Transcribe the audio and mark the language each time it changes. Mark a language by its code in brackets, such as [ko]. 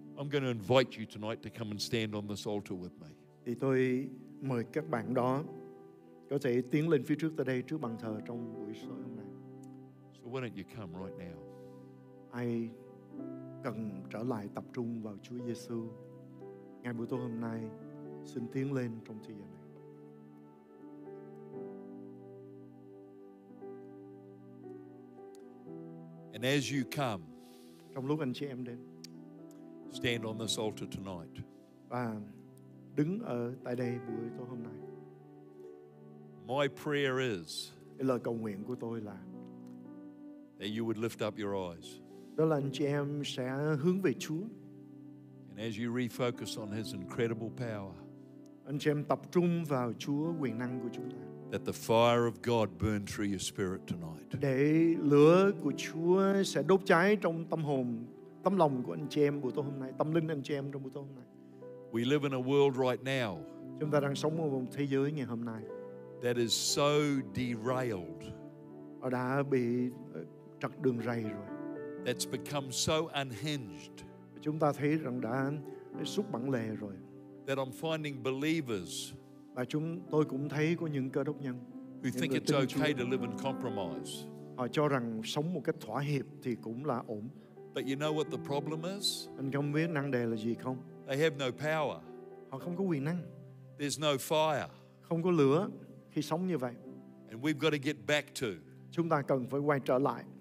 [en] I'm going to invite you tonight to come and stand on this altar with me. [vi] Thì tôi mời các bạn đó có thể tiến lên phía trước tại đây trước bàn thờ trong buổi sáng hôm nay. [en] So why don't you come right now? [vi] Ai cần trở lại tập trung vào Chúa Giêsu ngày buổi tối hôm nay, xin tiến lên trong thời gian này. [en] And as you come, [vi] trong lúc anh chị em đến, [en] stand on this altar tonight. [vi] Và đứng ở tại đây buổi tối hôm nay. [en] My prayer is. [vi] Lời cầu nguyện của tôi là. [en] That you would lift up your eyes. [vi] Đó là anh chị em sẽ hướng về Chúa. [en] And as you refocus on His incredible power. [vi] Anh chị em tập trung vào Chúa quyền năng của chúng ta. [en] That the fire of God burn through your spirit tonight. [vi] Để lửa của Chúa sẽ đốt cháy trong tâm hồn, tâm lòng của anh chị em buổi tối hôm nay, tâm linh anh chị em trong buổi tối hôm nay. [en] We live in a world right now. [vi] Chúng ta đang sống ở một thế giới ngày hôm nay. [en] That is so derailed. [vi] Đã bị trật đường rầy rồi. [en] That's become so unhinged. [vi] Chúng ta thấy rằng đã sút bản lề rồi. [en] That I'm finding believers. [vi] Và chúng tôi cũng thấy có những cơ đốc nhân [en] who think it's okay to live in compromise. [vi] Họ cho rằng sống một cách thỏa hiệp thì cũng là ổn. [en] But you know what the problem is? [vi] Anh không biết năng đề là gì không? [en] They have no power. [vi] Họ không có quyền năng. [en] There's no fire. [vi] Không có lửa khi sống như vậy. [en] And we've got to get back to. [vi] Chúng ta cần phải quay trở lại.